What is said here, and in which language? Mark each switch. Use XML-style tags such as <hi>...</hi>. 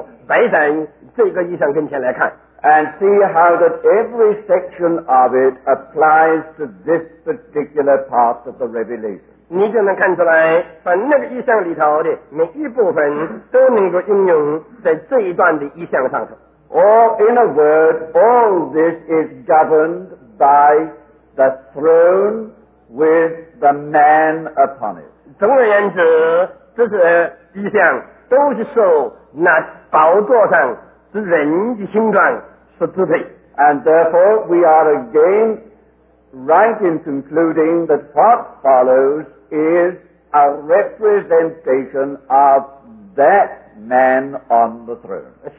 <zh>我请你们把那个意象的纲目摆在这个意象跟前来看。</zh> <en>And see how that every section of it applies to this particular part of the revelation.</en> <zh>你就能看出来，把那个意象里头的每一部分都能够应用在这一段的意象上头。</zh> <en>Or in a word, all this is governed by the throne with the man upon it.</en> <zh>总而言之，这些意象都是受那宝座上之人的形状。</zh> <en>And therefore, we are again right in concluding that what follows is a representation of that man on the throne.</en>